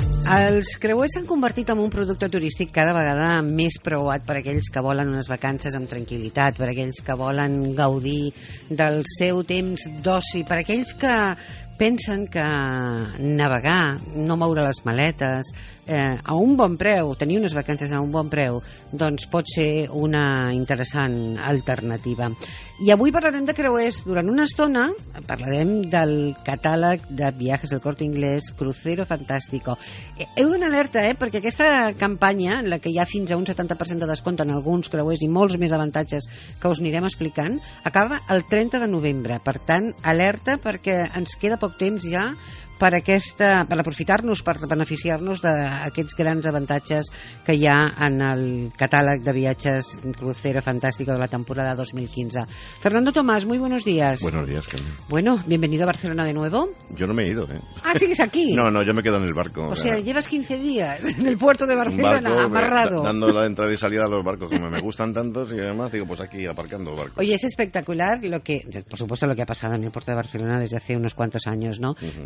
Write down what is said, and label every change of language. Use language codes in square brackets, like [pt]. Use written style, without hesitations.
[ca] Els creuers s'han convertit en un producte turístic cada vegada més preuat per aquells que volen unes vacances amb tranquil·litat, per aquells que volen gaudir del seu temps d'oci, per aquells que pensen que navegar, no moure les maletes, a un bon preu, tenir unes vacances a un bon preu, doncs pot ser una interessant alternativa. I avui parlarem de creuers. Durant una estona parlarem del catàleg de Viajes del Corte Inglés, Crucero Fantástico. Heu d'una alerta, perquè aquesta campanya, en la que hi ha fins a un 70% de descompte en alguns creuers i molts més avantatges que us anirem explicant, acaba el 30 de novembre. Per tant, alerta, perquè ens queda poc temps ja per aprofitar-nos, per beneficiar-nos d'aquests grans avantatges que hi ha en el catàleg de viatges Crucero Fantástico de la temporada 2015. [es] Fernando Tomás, muy buenos días. Buenos días, Carmen. Bueno, bienvenido a Barcelona de nuevo. Yo no me he ido, ¿eh? Ah, ¿sigues aquí? No, yo me quedo en el barco. O sea, llevas 15 días en el puerto de Barcelona, amarrado. Dando la entrada y salida a los barcos, como me gustan tantos, y además digo, pues aquí, aparcando barcos. Oye, es espectacular lo que, por supuesto, lo que ha pasado en el puerto de Barcelona desde hace unos cuantos años, ¿no? Uh-huh.